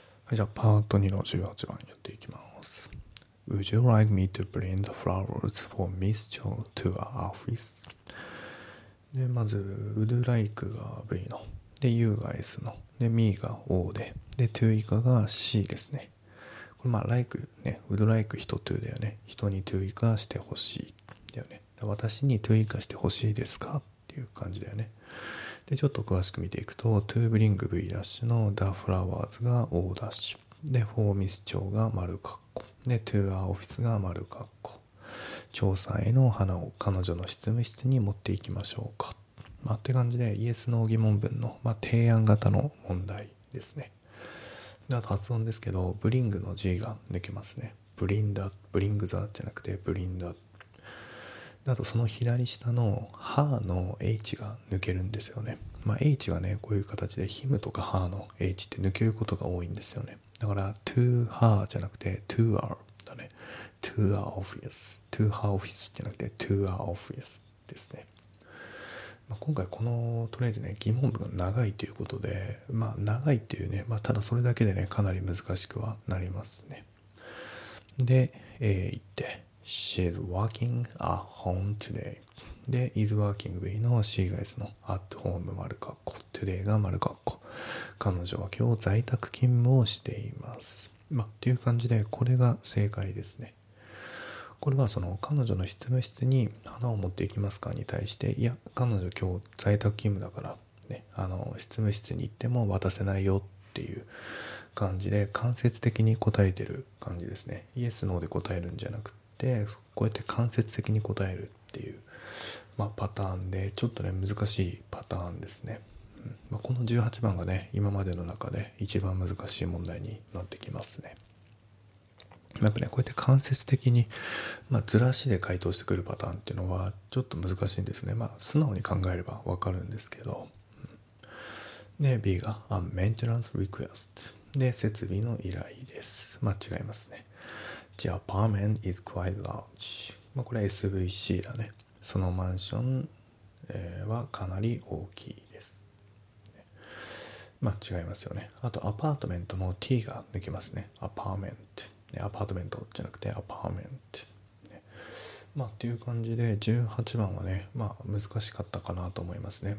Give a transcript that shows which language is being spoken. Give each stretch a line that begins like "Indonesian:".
Japanese: じゃあパート2の18番やっていきます。
English: Would you like me to bring the flowers for Miss Chow to her office?
Japanese: でまず Would like が V ので、 You が S ので、 Me が O で、 で To 以下が C ですね。これまあ Like ね、 Would like 人 To だよね。人に To 以下してほしいだよね。で私に To 以下してほしいですかっていう感じだよね。でちょっと詳しく見ていくと、 To bring V' の The Flowers が O' で、 For Miss Chow が丸括弧で、 To our office が丸括弧、調査への花を彼女の執務室に持っていきましょうか、まあ、って感じで Yes の疑問文の、まあ、提案型の問題ですね。であと発音ですけど、 Bring の G が抜けますね。
English: Bring the、 Bring the じゃなくて Bring the。
Japanese: あとその左下の歯の H が抜けるんですよね。まあ、H がね、こういう形で him とか歯の H って抜けることが多いんですよね。
English: だから to her じゃなくて to our だね。 to our office。 to her office じゃなくて to our office ですね。
Japanese: まあ、今回このとりあえずね、疑問文が長いということで、まあ長いっていうね、まあただそれだけでね、かなり難しくはなりますね。で、A 行って。
English: She's working at home today. で、is working with の C が S の at home 丸括弧 today が丸括弧。
Japanese: 彼女は今日在宅勤務をしています。まあ、っていう感じで、これが正解ですね。これはその彼女の執務室に花を持っていきますかに対して、いや、彼女今日在宅勤務だから、ね、執務室に行っても渡せないよっていう感じで、間接的に答えてる感じですね。 Yes, No で答えるんじゃなくて、でこうやって間接的に答えるっていう、まあ、パターンで、ちょっとね難しいパターンですね、うん。まあ、この18番がね、今までの中で一番難しい問題になってきますね。やっぱね、こうやって間接的に、まあ、ずらしで回答してくるパターンっていうのはちょっと難しいんですね。まあ素直に考えればわかるんですけど、うん。で B が A maintenance request で、設備の依頼です。まあ違いますね。
English: The apartment is quite large.
Japanese: まあこれ SVC だね。そのマンションはかなり大きいです。まあ違いますよね。あとアパートメントの T が抜けますね。
English: Apartment。
Japanese: アパートメントじゃなくて Apartment。まあっていう感じで18番はね、まあ難しかったかなと思いますね。